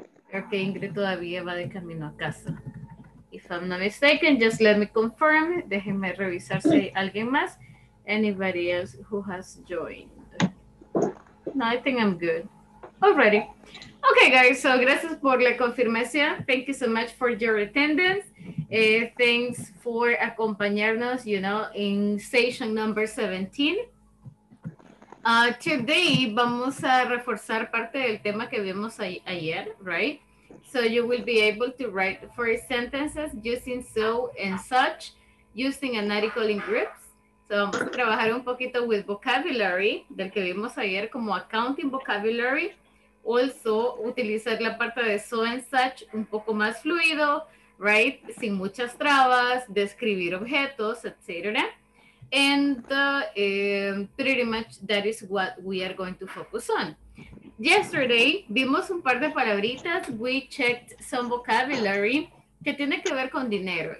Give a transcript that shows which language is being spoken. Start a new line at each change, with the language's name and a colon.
Spanish: Creo que Ingrid todavía va de camino a casa.
English: If I'm not mistaken, just let me confirm.
Spanish: Déjenme revisar si hay alguien más.
English: Anybody else who has joined? No, I think I'm good. Alrighty. Okay, guys, so
Spanish: gracias por la confirmación.
English: Thank you so much for your attendance. Thanks for
Spanish: acompañarnos,
English: you know, in session number 17.
Spanish: Today, vamos a reforzar parte del tema que vimos ayer, right?
English: So you will be able to write first sentences using so and such, using an article in groups.
Spanish: So vamos a trabajar un poquito
English: with vocabulary,
Spanish: del que vimos ayer, como accounting vocabulary. Also, utilizar la parte de so and such un poco más fluido, right? Sin muchas trabas, describir objetos, etc.
English: And pretty much that is what we are going to focus on.
Spanish: Yesterday, vimos un par de palabritas.
English: We checked some vocabulary
Spanish: que tiene que ver con dinero.